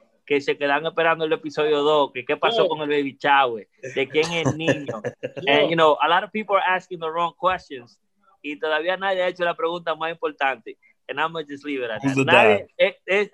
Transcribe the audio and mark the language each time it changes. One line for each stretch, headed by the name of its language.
Spanish: Que se quedan esperando el episodio 2, que qué pasó con el baby Chávez, de quién es niño.
English: And, you know, a lot of people are asking the wrong questions.
Spanish: Y todavía nadie ha hecho la pregunta más importante.
English: And I'm going to just leave it at that.